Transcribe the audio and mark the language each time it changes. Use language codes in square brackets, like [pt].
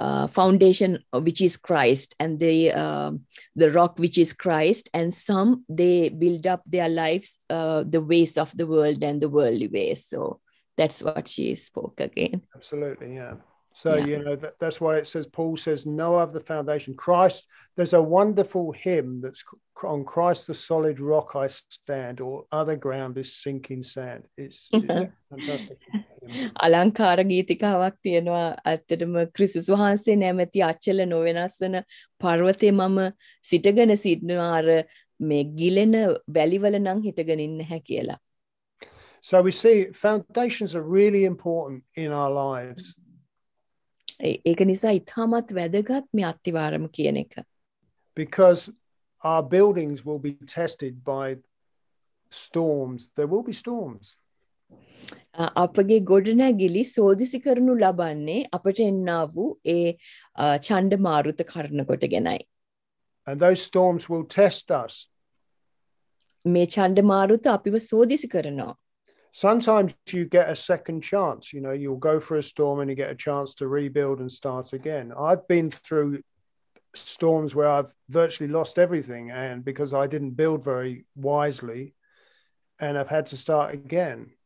[en] foundation which is Christ and the rock which is Christ and some they build up their lives the ways of the world and the worldly ways so that's what she spoke again absolutely yeah so yeah. You know that's why it says Paul says no other foundation Christ there's a wonderful hymn that's on Christ the solid rock I stand or other ground is sinking sand it's fantastic [si] අලංකාර ගීතිකාවක් තියෙනවා ඇත්තටම ක්‍රිස්තුස් වහන්සේ නැමැති අචල නොවෙනස් වෙන පර්වතේ මම සිටගෙන සිටිනවා අර මේ ගිලෙන වැලිවල නම් හිටගෙන ඉන්න හැ කියලා [en] So we see foundations are really important in our lives. [si] ඒක නිසා ඉතාමත් වැදගත් මේ අත්තිවාරම කියන එක. [en] Because our buildings will be tested by storms. There will be storms. [si] අපගේ ගොඩනැගිලි සෝදිසි කරනු ලබන්නේ අපට එන්නා වූ ඒ චණ්ඩමාරුත කරන කොට ගෙනයි. [en] And those storms will test us. [si] මේ චණ්ඩමාරුත අපිව සෝදිසි කරනවා. [en] Sometimes you get a second chance, you know, you'll go for a storm and you get a chance to rebuild and start again. I've been through storms where I've virtually lost everything and because I didn't build very wisely and I've had to start again.